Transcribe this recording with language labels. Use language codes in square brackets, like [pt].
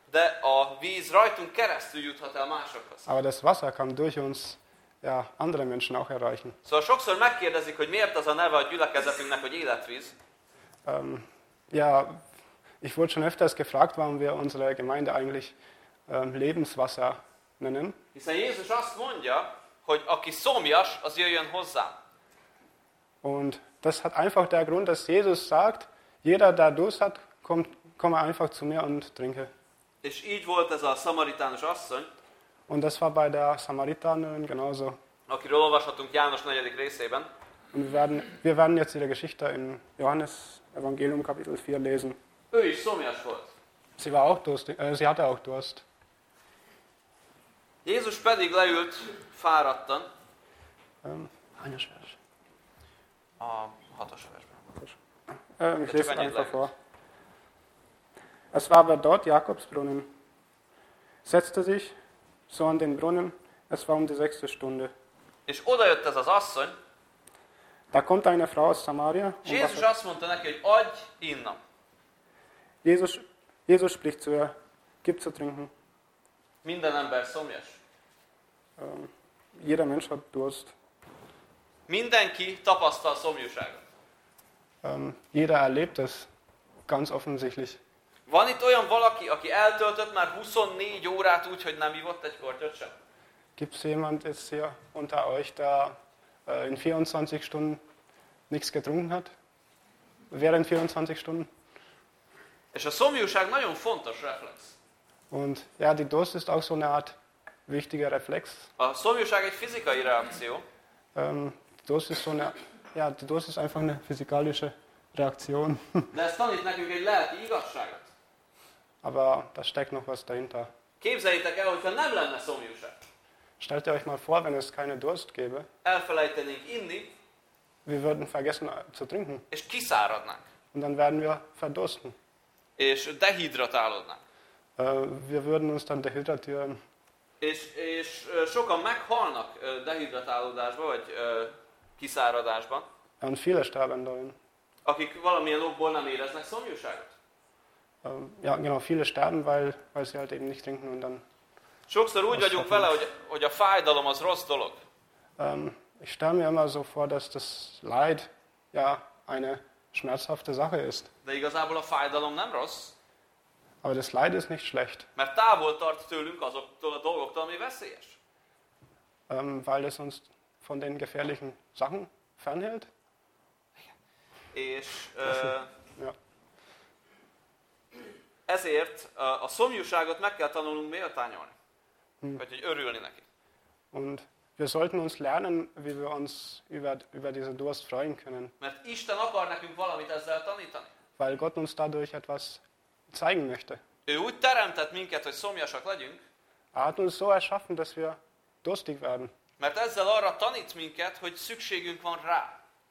[hu] De a víz rajtunk keresztül juthat el másokhoz. [de] Aber das Wasser kann durch uns ja andere Menschen auch erreichen. [hu] Szóval sokszor megkérdezik, hogy miért az a neve a gyülekezetünknek, hogy életvíz. [de] Ich wurde schon öfters gefragt, warum wir unsere Gemeinde eigentlich Lebenswasser nennen. [hu] Hiszen Jézus azt mondja, hogy aki szomjas, az jöjjön hozzám. [de] Und das hat einfach der Grund, dass Jesus sagt, jeder, der Durst hat, komm einfach zu mir und trinke. [hu] És így volt ez a szamaritános asszony. [de] Und das war bei der Samaritanerin genauso. [hu] Akiről olvashatunk János 4. részében. [de] Und wir werden jetzt ihre Geschichte in Johannes Evangelium Kapitel 4 lesen. [hu] Ő is szomjas volt. [de] Sie war auch durstig, sie hatte auch Durst. [hu] Jézus pedig leült fáradtan. Hányas vers? A hatos versben. [de] Ich lese einfach vor. Es war aber dort Jakobsbrunnen. Setzte sich so an den Brunnen. Es war die 6. Stunde. [hu] És oda jött ez az asszony. [de] Da kommt eine Frau aus Samaria. [hu] Jézus azt mondta neki, hogy adj innom. [de] Jézus spricht zu ihr. Gib zu trinken. [hu] Minden ember szomjas. [de] Jeder Mensch hat Durst. [hu] Mindenki tapasztal szomjúságot. [de] Jeder erlebt es ganz offensichtlich. [hu] Van itt olyan valaki, aki eltöltött már 24 órát úgy, hogy nem ivott egy kortyot sem? [de] Gibt's jemand jetzt hier unter euch, der in 24 Stunden nichts getrunken hat? Während 24 Stunden? [hu] És a szomjúság nagyon fontos reflex. [de] Und ja, die Durst ist auch so eine Art wichtiger Reflex. [hu] A szomjúság egy fizikai reakció. [de] Die Dosis ist einfach eine physikalische Reaktion. [hu] Das tanít nekünk egy lelki igazságot. [de] Aber da steckt noch was dahinter. [hu] Képzeljétek el, hogyha nem lenne szomjúság. [de] Stellt ihr euch mal vor, wenn es keine Durst gäbe. [hu] Elfelejtenénk inni. [de] Wir würden vergessen zu trinken. [hu] És kiszáradnánk. [de] Und dann werden wir verdursten. [hu] És dehidratálódnánk. [de] Wir würden uns dann dehydratieren. [hu] És sokan meghalnak dehidratálódásban, vagy kiszáradásban. [de] Und viele sterben darin. [hu] Akik valamilyen okból nem éreznek szomjúságot. [de] Ja, genau, viele sterben, weil sie halt eben nicht trinken und dann... [hu] Sokszor úgy vagyunk vele, hogy a fájdalom az rossz dolog. [de] Ich stelle mir immer so vor, dass das Leid ja eine schmerzhafte Sache ist. [hu] De igazából a fájdalom nem rossz. [de] Aber das Leid ist nicht schlecht. [hu] Mert távol tart tőlünk azoktól a dolgoktól, ami veszélyes. [de] Weil es uns von den gefährlichen Sachen fernhält. [hu] És... Ezért a szomjúságot meg kell tanulnunk méltányolni. Vagy hogy örülni neki. [de] Und wir sollten uns lernen, wie wir uns über diese Durst freuen können. [hu] Mert Isten akar nekünk valamit ezzel tanítani. [de] Weil Gott uns dadurch etwas zeigen möchte. [hu] Ő úgy teremtett minket, hogy szomjasak legyünk. [de] Er hat uns so erschaffen, dass wir durstig werden. [hu] Mert ezzel arra tanít minket, hogy szükségünk van rá.